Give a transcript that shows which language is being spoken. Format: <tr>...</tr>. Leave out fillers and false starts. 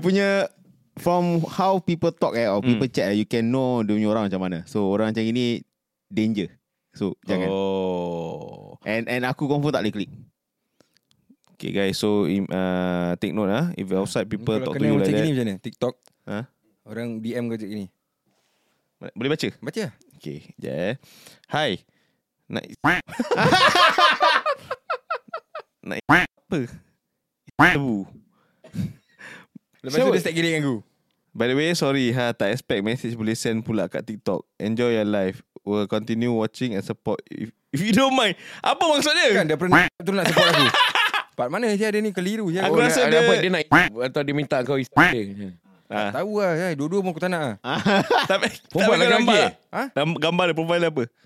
<en>punya from how people talk eh, or people chat, you can know</en> <ms>dia punya orang macam mana. So orang macam gini danger. So jangan. Oh. And aku confirm tak boleh klik.</ms> <en>Okay guys, so take note lah. If outside people</en> <ms>kalau</ms> <en>talk to you like</en> <ms>macam</ms> <en>that</en> <ms>gini, macam mana TikTok orang DM kau macam gini. Boleh baca? Baca. Okay, sekejap eh. Hai. Nak apa? Tebu. Lepas tu dia start giring dengan aku.</ms> <en>By the way, sorry ha.</en> <ms>Tak expect message boleh send pula kat TikTok.</ms> <en>Enjoy your life. We'll continue watching and support if you don't mind.</en> <ms>Apa maksud dia? Kan dia pernah tu nak support aku. Part mana dia ada ni keliru. Aku dia rasa dia apa, dia nak atau dia minta kau istirahat. Tahu lah, dua-dua pun aku tak nak lah. Tapi perempuan lagi gambar gambar dia, profile apa?</ms>